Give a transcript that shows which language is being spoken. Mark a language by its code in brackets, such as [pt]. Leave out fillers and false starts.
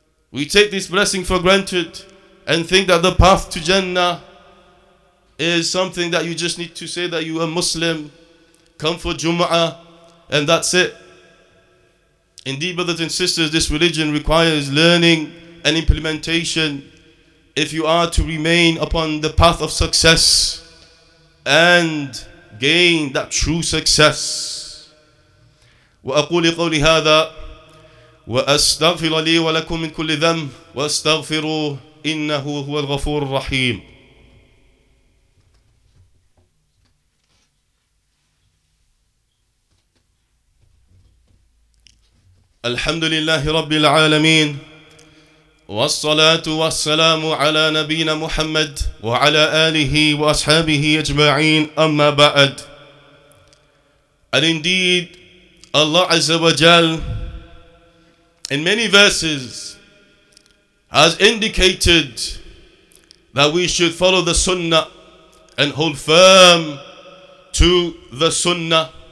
[en] We take this blessing for granted and think that the path to Jannah is something that you just need to say that you are Muslim, come for Jumu'ah, and that's it. Indeed, brothers and sisters, this religion requires learning and implementation if you are to remain upon the path of success and gain that true success. [ar] وأقول قولي هذا وأستغفر لي ولكم من كل ذنب وأستغفروه إنه هو الغفور الرحيم. الحمد لله رب العالمين والصلاة والسلام على نبينا محمد وعلى آله وأصحابه أجمعين أما بعد. [en] And indeed, Allah Azza wa Jal, in many verses, has indicated that we should follow the Sunnah and hold firm to the Sunnah.